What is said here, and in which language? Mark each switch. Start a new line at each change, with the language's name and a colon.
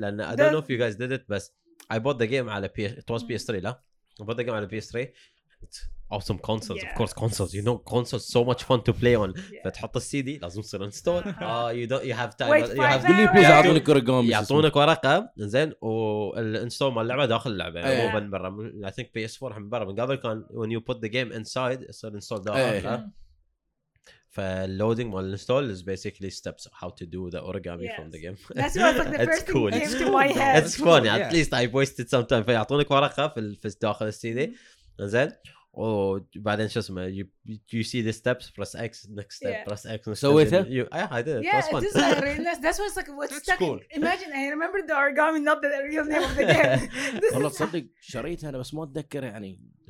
English: I don't know if you guys did it, but I bought the game on PS. It was PS3, lah. I bought the game on PS3. Awesome consoles, of course consoles. You know consoles so much fun to play on. But put the CD,
Arabic: لازم تصير
English: install. You have time. Wait, you have to leave.
Arabic: يعطونك ورقة إنزين والinstall مال اللعبة داخل اللعبة. مو من برا.
English: I think PS4
Arabic: من برا. من قبل كان
English: when you put the game inside, it's installed.
Arabic: فloading مال
English: install is basically steps how to do the origami from the game. That's what the first cool. thing came to my head. It's funny. At least I wasted some time.
Arabic: فيعطونك ورقة في داخل CD إنزين.
English: Oh, but then just you see the steps. Press X next step. Yeah. Press X. So with it, I did. Yeah, this one. Is like, that's what's like. What's stuck. Cool. Imagine I remember the origami, not the real name of the game.
Arabic: Allah صدق شريتها أنا بس ما أتذكر يعني.